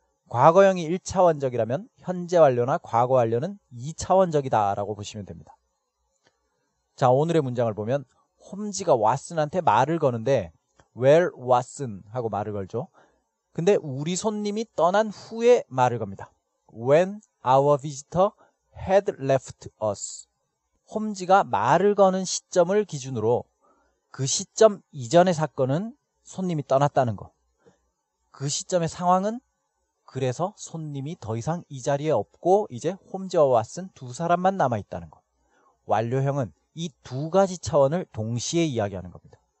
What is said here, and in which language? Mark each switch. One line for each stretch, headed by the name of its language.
Korean: 과거형이 1차원적이라면 현재 완료나 과거 완료는 2차원적이다 라고 보시면 됩니다. 자, 오늘의 문장을 보면 홈즈가 왓슨한테 말을 거는데
English: Where Watson
Korean: 하고 말을 걸죠. 근데 우리 손님이 떠난 후에 말을 겁니다.
English: When our visitor had left us.
Korean: 홈즈가 말을 거는 시점을 기준으로 그 시점 이전의 사건은 손님이 떠났다는 거. 그 시점의 상황은 그래서 손님이 더 이상 이 자리에 없고 이제 홈즈와 왓슨 두 사람만 남아있다는 것. 완료형은 이 두 가지 차원을 동시에 이야기하는 겁니다.